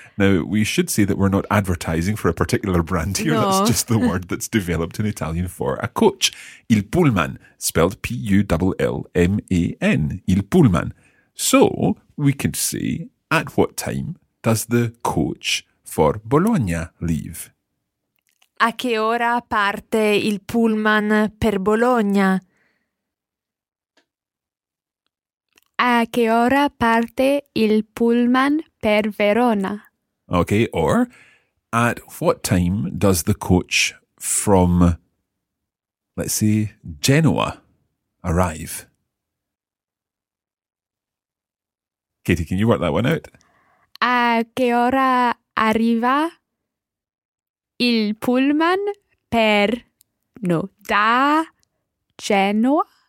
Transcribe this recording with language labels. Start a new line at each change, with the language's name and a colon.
English: Now, we should say that we're not advertising for a particular brand here. No. That's just the word that's developed in Italian for a coach. Il pullman, spelled P-U-L-L-M-A-N. Il pullman. So, we could say, at what time does the coach for Bologna leave?
Italian: A che ora parte il pullman per Bologna? A che ora parte il pullman per Verona?
English: Okay, or at what time does the coach from, let's say, Genoa arrive? Katie, can you work that one out?
Italian: A che ora arriva il pullman per, no, da Genoa?